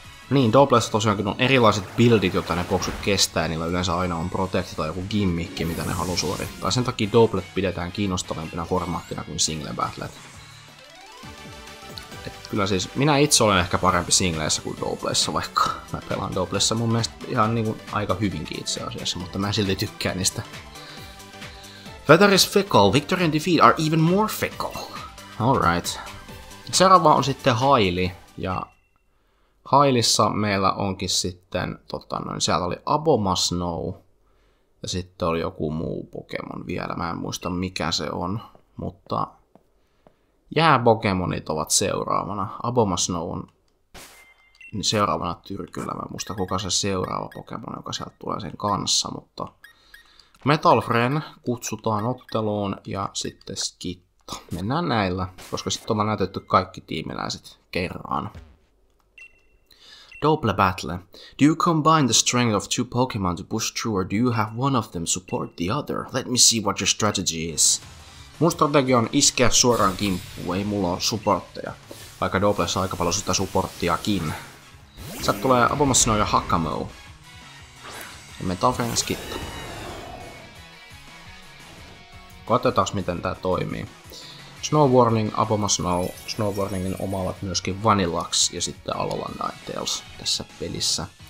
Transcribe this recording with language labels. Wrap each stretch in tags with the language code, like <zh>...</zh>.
<fi>Niin, Doblessa tosiaankin on erilaiset buildit, joita ne boksut kestää, niillä yleensä aina on protekti tai joku gimmikki, mitä ne haluaa suorittaa. Sen takia Doblet pidetään kiinnostavimpina formaattina kuin single battlet. Et kyllä siis, minä itse olen ehkä parempi singleissä kuin Doblessa, vaikka mä pelaan Doblessa mun mielestä ihan niin kuin aika hyvinkin itse asiassa, mutta mä silti tykkään niistä.</fi> <en>Weather is fickle, victory and defeat are even more fickle. Alright.</en> <fi>Seuraava on sitten Haili, ja Hailissa meillä onkin sitten, siellä oli Abomasnow, ja sitten oli joku muu Pokemon vielä, mä en muista mikä se on, mutta jääpokemonit ovat seuraavana. Abomasnow on seuraavana tyrkyllä, mä en muista kuka se seuraava Pokemon, joka sieltä tulee sen kanssa, mutta Metalfren kutsutaan otteluun ja sitten Skitto. Mennään näillä, koska sitten on näytetty kaikki tiimiläiset kerran.</fi> <en>Double battle. Do you combine the strength of two Pokemon to push through or do you have one of them support the other? Let me see what your strategy is.</en> <fi>Mun strategia on iskeä suoraan kimppuun, ei mulla ole supportteja. Vaikka Doublessa aika paljon sitä supporttiakin. Sieltä tulee Abomasnow ja Hakamou. Ja Metalfren ja Skitto. Katsotaas miten tää toimii. Snowwarning, Abomasnow, Snowwarningin omaavat myöskin Vanillax ja sitten Alolan Ninetales tässä pelissä.</fi>